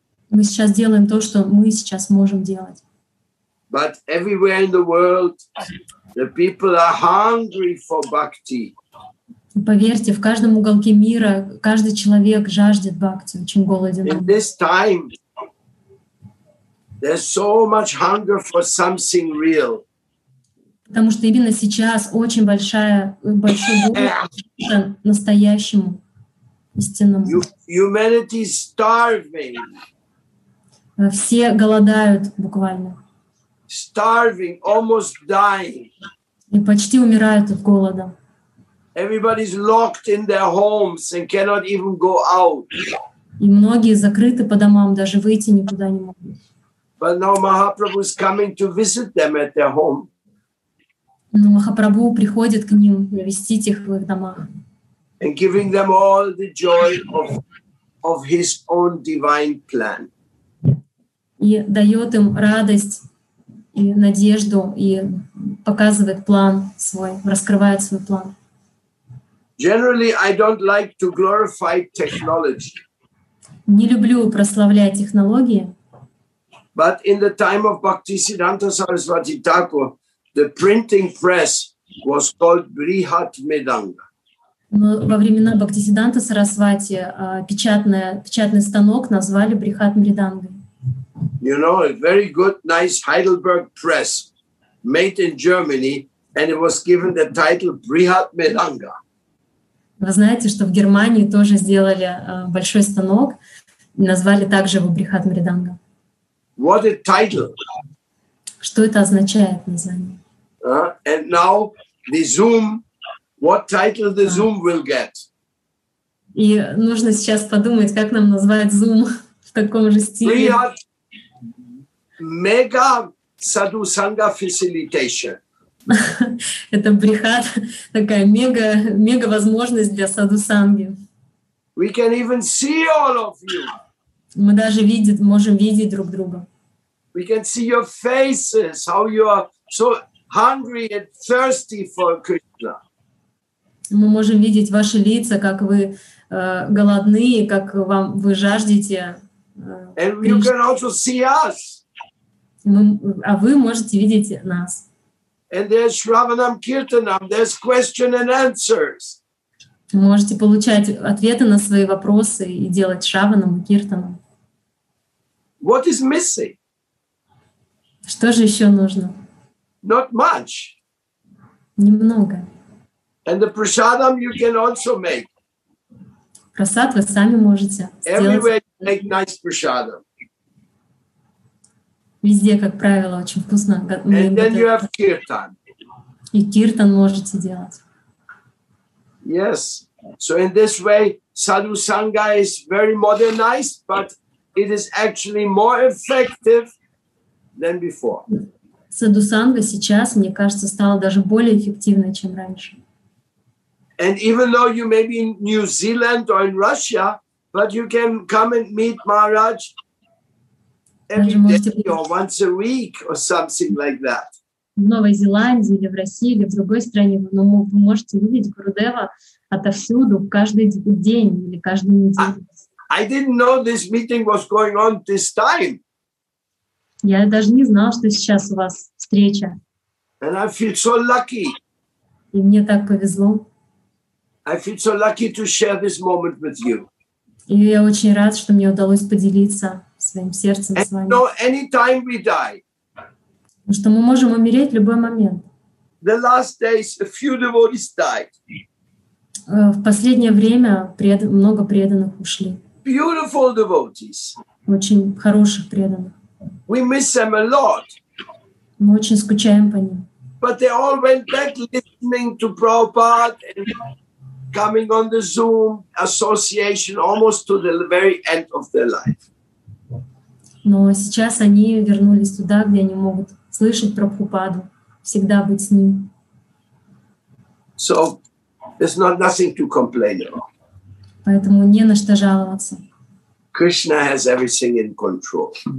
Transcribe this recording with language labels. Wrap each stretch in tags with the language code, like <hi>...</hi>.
<ru>Мы сейчас делаем то, что мы сейчас можем делать. Поверьте, в каждом уголке мира каждый человек жаждет бхакти, очень голоден.</ru> <en>In this time, there's so much hunger for something real.</en> <ru>Потому что именно сейчас очень большой голод настоящему, истинному.</ru> <en>Humanity is starving.</en> <ru>Все голодают буквально.</ru> <en>Starving, almost dying.</en> <ru>И почти умирают от голода.</ru> <en>Everybody is locked in their homes and cannot even go out.</en> <ru>И многие закрыты по домам, даже выйти никуда не могут.</ru> <en>But now Mahaprabhu is coming to visit them at their home.</en> <ru>Но Махапрабху приходит к ним навестить их в их домах.</ru> <en>And giving them all the joy of his own divine plan.</en> <ru>И дает им радость и надежду, и показывает план свой, раскрывает свой план.</ru> <en>Generally, I don't like to glorify technology.</en> <ru>Не люблю прославлять технологии.</ru> <en>But in the time of Bhaktisiddhanta Sarasvati Thakur, the printing press was called Brihat Medanga.</en> <ru>Но во времена Бхактисиддханты Сарасвати печатный станок назвали Брихат Мридангой.</ru> <en>You know, a very good, nice Heidelberg press made in Germany, and it was given the title Brihat Medanga.</en> <ru>Вы знаете, что в Германии тоже сделали большой станок, назвали также его Брихат Мриданга.</ru> <en>What a title!</en> <ru>Что это означает название?</ru> <en>And now the Zoom, what title the Zoom will get?</en> <ru>И нужно сейчас подумать, как нам назвать Zoom в таком же стиле.</ru> <en>We are mega sadhu sangha facilitation.</en> <ru>Это брихат, такая мега, мега возможность для саду санги.</ru> <en>We can even see all of you.</en> <ru>Мы даже видит, можем видеть друг друга.</ru> <en>We can see your faces, how you are so hungry and thirsty for Krishna.</en> <ru>Мы можем видеть ваши лица, как вы голодны, как вам вы жаждете.</ru> <en>And you can also see us.</en> <ru>А вы можете видеть нас.</ru> <en>And there's Shravanam Kirtanam, there's question and answers.</en> <ru>Можете получать ответы на свои вопросы и делать Шраванам и Киртанам.</ru> <en>What is missing?</en> <ru>Что же еще нужно?</ru> <en>Not much.</en> <ru>Немного.</ru> <en>And the prasadam you can also make.</en> <ru>Прасад вы сами можете сделать.</ru> <en>Everywhere you make nice prasadam.</en> <ru>Везде, как правило, очень вкусно.</ru> <en>And then you have kirtan.</en> <ru>И киртан можете делать.</ru> <en>Yes. So in this way, sadhu sangha is very modernized, but it is actually more effective than before.</en> <ru>Sadhu sangha сейчас, мне кажется, стала даже более эффективной, чем раньше.</ru> <en>And even though you may be in New Zealand or in Russia, but you can come and meet Maharaj every day or once a week or something like that.</en> <ru>В Новой Зеландии или в России или в другой стране, но вы можете видеть Гурудева отовсюду каждый день или каждую неделю.</ru> <en>I didn't know this meeting was going on this time.</en> <ru>Я даже не знал, что сейчас у вас встреча.</ru> <en>And I feel so lucky.</en> <ru>И мне так повезло.</ru> <en>I feel so lucky to share this moment with you.</en> <ru>И я очень рад, что мне удалось поделиться своим сердцем</ru> <en>And</en> <ru>с вами.</ru> <en>No, anytime we die.</en> <ru>Потому что мы можем умереть в любой момент.</ru> <en>The last days, a few devotees died.</en> <ru>В последнее время много преданных ушли.</ru> <en>Beautiful devotees.</en> <ru>Очень хороших преданных.</ru> <en>We miss them a lot.</en> <ru>Мы очень скучаем по ним.</ru> <en>But they all went back listening to Prabhupada and coming on the Zoom association almost to the very end of their life.</en> <ru>Но сейчас они вернулись туда, где они могут слышать Прабхупаду, всегда быть с ним.</ru> <en>So, there's not nothing to complain about.</en> <ru>Поэтому не на что жаловаться.</ru> <en>Krishna has everything in control.</en>